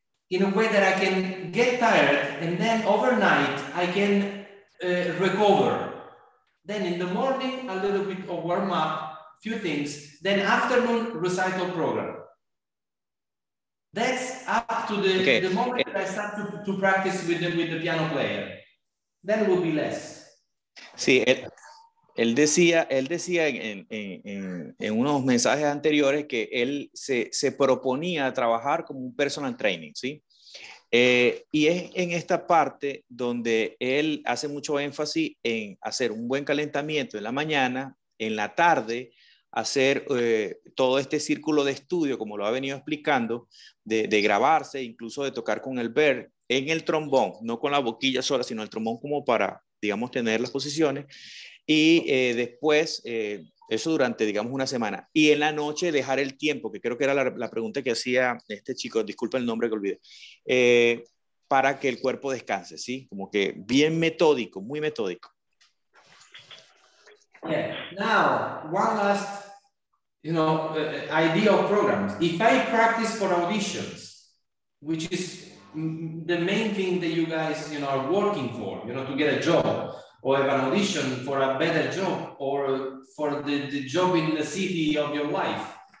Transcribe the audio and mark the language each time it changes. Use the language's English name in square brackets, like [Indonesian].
[English] In a way that I can get tired and then overnight I can recover. Then in the morning, a little bit of warm up, few things, then afternoon recital program. That's up to the moment that I start to practice with the piano player. Then it will be less. [Spanish] Sí, él decía en unos mensajes anteriores que él se proponía a trabajar como un personal training, ¿sí? Y es en esta parte donde él hace mucho énfasis en hacer un buen calentamiento en la mañana, en la tarde, hacer todo este círculo de estudio, como lo ha venido explicando, de grabarse, incluso de tocar con el bird en el trombón, no con la boquilla sola, sino el trombón como para, digamos, tener las posiciones. Y después, eso durante, digamos, una semana. Y en la noche dejar el tiempo, que creo que era la pregunta que hacía este chico, disculpa el nombre que olvidé, para que el cuerpo descanse, ¿sí? Como que bien metódico, muy metódico. [English] Yeah. Now, one last, you know, idea of programs. If I practice for auditions, which is the main thing that you guys, you know, are working for, you know, to get a job, or have an audition for a better job, or for the job in the city of your life.